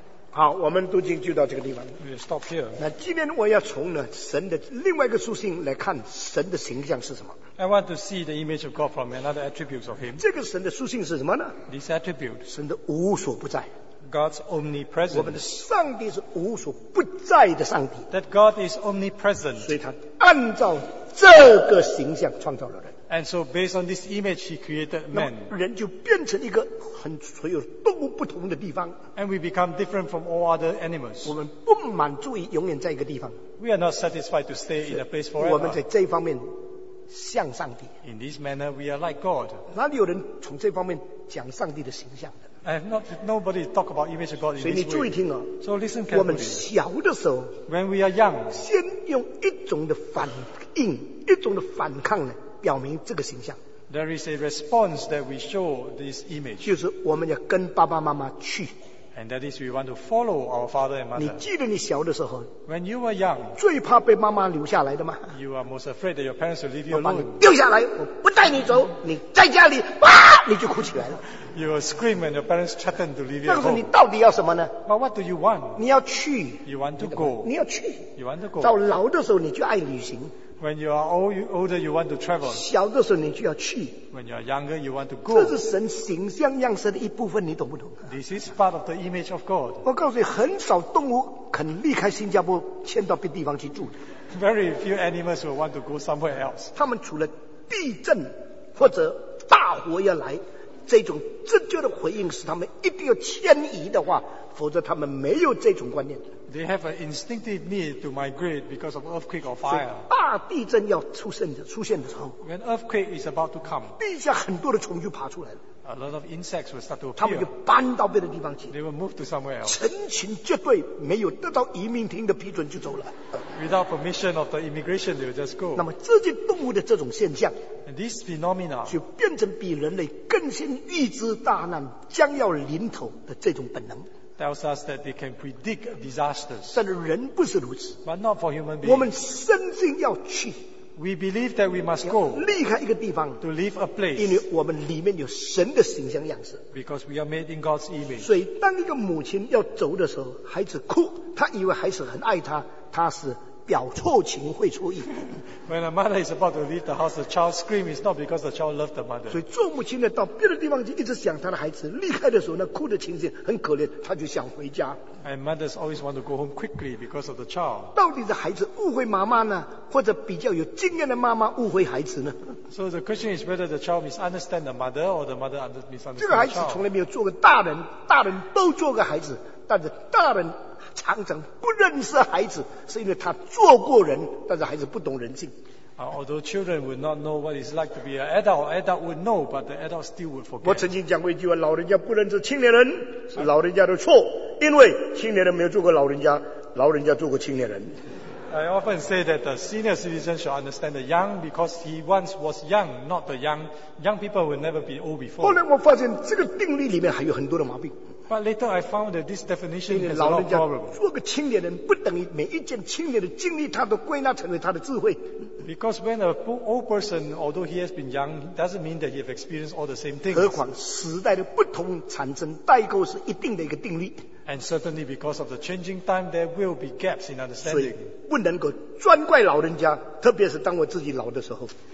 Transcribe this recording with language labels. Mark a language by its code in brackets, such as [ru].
[zh] 好，我们读经就到这个地方。 [en] We'll stop here. [zh] 那今天我要从呢神的另外一个书信来看神的形象是什么。 [en] I want to see the image of God from another attributes of Him. [zh] 这个神的属性是什么呢 [en] ？This attribute. [zh] 神的无所不在。 [en] God's omnipresent. [zh] 我们的上帝是无所不在的上帝。 [en] That God is omnipresent. [zh] 所以他按照这个形象创造了人。 [en] And so based on this image, He created man. [zh] 那么人就变成一个很所有动物不同的地方。 [en] And we become different from all other animals. [zh] 我们不满足于永远在一个地方。 [en] We are not satisfied to stay in a place forever. [zh] 我们在这方面。像上帝。 [en] In this manner, we are like God. [zh] 哪里有人从这方面讲上帝的形象的 [en] ？I have not nobody talk about image of God in this way. [zh] 所以你注意听哦。 [en] So listen carefully. [zh] 我们小的时候 [en] ，When we are young， [zh] 先用一种的反应，一种的反抗呢，表明这个形象。 [en] There is a response that we show this image. [zh] 就是我们要跟爸爸妈妈去。 [en] And that is we want to follow our father and mother. [zh] 你记得你小的时候 [en] ，When you were young， [zh] 最怕被妈妈留下来的吗 [en] ？You are most afraid that your parents will leave you alone. [zh] 我把你丢下来，我不带你走，你在家里哇，你就哭起来了。 [en] You will scream when your parents threaten to leave you alone. [zh] 那时候你到底要什么呢 [en] ？But what do you want？ [zh] 你要去。 [en] You want to go. [zh] 你要去。 [en] You want to go. [zh] 到老的时候你就爱旅行。 [en] When you are older, you want to travel. [zh] 小的时候你就要去。 [en] When you are younger, you want to go. [zh] 这是神形象样式的一部分，你懂不懂 [en] ？This is part of the image of God. [zh] 我告诉你，很少动物肯离开新加坡迁到别地方去住。 [en] Very few animals will want to go somewhere else. [zh] 他们除了地震或者大火要来，这种直接的回应使他们一定要迁移的话，否则他们没有这种观念。 [en] They have an instinctive need to migrate because of earthquake or fire. [zh] 大地震要出现的时候 [en] ，When earthquake is about to come, [zh] 地下很多的虫就爬出来了。 [en] A lot of insects will start to appear. [zh] 他们就搬到别的地方去。 [en] They will move to somewhere else. [zh] 成群结队，没有得到移民厅的批准就走了。 [en] Without permission of the immigration, they will just go. [zh] 那么这些动物的这种现象 [en] ，And this phenomena, [zh] 就变成比人类更先预知大难将要临头的这种本能。 [en] Tells us that they can predict disasters. [zh] 但人不是如此。 [en] But not for human beings. [zh] 我们深信要去。 [en] We believe that we must go. [zh] 离开一个地方。 [en] To leave a place. [zh] 因为我们里面有神的形象样式。 [en] Because we are made in God's image. [zh] 所以当一个母亲要走的时候，孩子哭，她以为孩子很爱她，她是表错情会错意。 [en] When a mother is about to leave the house, the child scream is not because the child loved the mother. [zh] 所以做母亲的到别的地方去，一直想她的孩子。离开的时候，那哭的情形很可怜，她就想回家。 [en] And mothers always want to go home quickly because of the child. [zh] 到底是孩子误会妈妈呢，或者比较有经验的妈妈误会孩子呢 [en] ？So the question is whether the child misunderstand the mother or the mother misunderstand the child. [zh] 这个孩子从来没有做过大人，大人都做过孩子，但是大人。常常不认识孩子，是因为他做过人，但是孩子不懂人性。 [en] Although children would not know what it's like to be an adult, adult would know, but the adult still would forget. [zh] 我曾经讲过一句话：老人家不认识青年人，是老人家的错，因为青年人没有做过老人家，老人家做过青年人。 [en] I often say that the senior citizen should understand the young because he once was young, not the young. Young people will never be old before. [zh] 后来我发现这个定律里面还有很多的毛病。 [en] But later I found that this definition is a lot of problem. [zh] 做个青年人不等于每一件青年的经历他都归纳成为他的智慧。 [en] Because when a old person, although he has been young, doesn't mean that he has experienced all the same things. [zh] 何况时代的不同产生代沟是一定的一个定律。 [en] And certainly because of the changing time, there will be gaps in understanding. [zh] 所以不能够专怪老人家，特别是当我自己老的时候。